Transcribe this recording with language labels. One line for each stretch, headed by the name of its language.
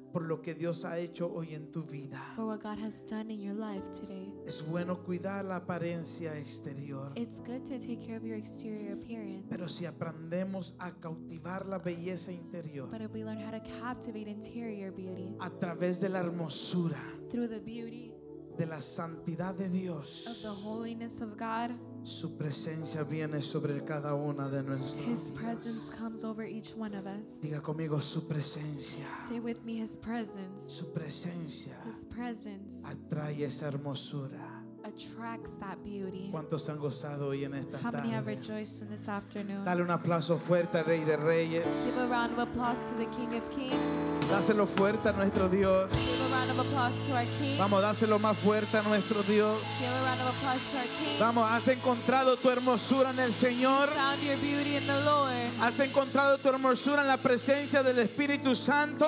Spanish: Por lo que Dios ha hecho hoy en tu vida.
English: For what God has done in your life today.
Spanish: Es bueno cuidar la apariencia exterior.
English: It's good to take care of your exterior appearance.
Spanish: Pero si aprendemos a cautivar la belleza interior.
English: But if we learn how to captivate interior beauty.
Spanish: A través de la hermosura.
English: Through the beauty.
Spanish: de la santidad de Dios.
English: Of the holiness of God.
Spanish: Su presencia viene sobre cada una de nuestros hijos.
English: His presence comes over each one of us.
Spanish: Diga conmigo su presencia.
English: Say with me his presence.
Spanish: Su presencia.
English: His presence.
Spanish: Atrae esa hermosura.
English: Attracts that beauty.
Spanish: ¿Cuántos han gozado hoy en esta tarde?
English: How many
Spanish: tarde?
English: Have rejoiced in this afternoon?
Spanish: Dale un aplauso fuerte al Rey de Reyes.
English: Give a round of applause to the King of Kings.
Spanish: Dáselo fuerte a nuestro Dios.
English: Give a round of applause to our King.
Spanish: Vamos, dáselo más fuerte a nuestro Dios.
English: Give a round of applause to our King.
Spanish: Vamos, has encontrado tu hermosura en el Señor.
English: You found your beauty in the Lord.
Spanish: Has encontrado tu hermosura en la presencia del Espíritu Santo.